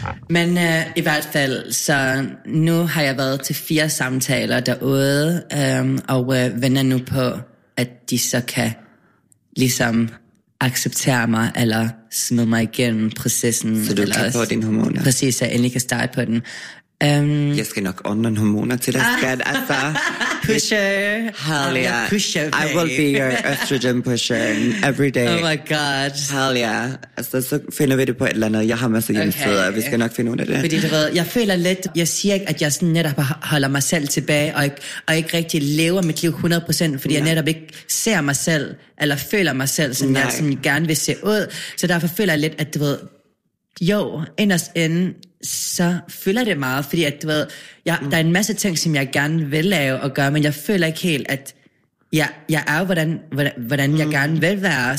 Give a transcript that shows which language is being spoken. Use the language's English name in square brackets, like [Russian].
[Danish] Men i hvert fald, så nu har jeg været til 4 samtaler derude, og venter nu på, at de så kan ligesom acceptere mig, eller smide mig igennem processen. Så du kan få dine hormoner? Præcis, så jeg endelig kan starte på den. Jeg skal nok ordne nogle hormoner til dig, skat. Altså, [English] pusher. Hell yeah. I'm your pusher, babe. I will be your estrogen pusher every day. Oh my god. Hell yeah. [Danish] Altså, så finder vi det på et eller andet. Jeg har masser af hjemmesider, okay. Vi skal nok finde ud af det. Fordi du ved, jeg føler lidt, jeg siger ikke, at jeg sådan netop holder mig selv tilbage, og ikke rigtig lever mit liv 100%, fordi jeg netop ikke ser mig selv, eller føler mig selv, som jeg sådan gerne vil se ud. Så derfor føler jeg lidt, at du ved, jo, inderst inde, så føler det meget, fordi at, du ved, der er en masse ting, som jeg gerne vil lave og gøre, men jeg føler ikke helt, at jeg er, hvordan jeg gerne vil være.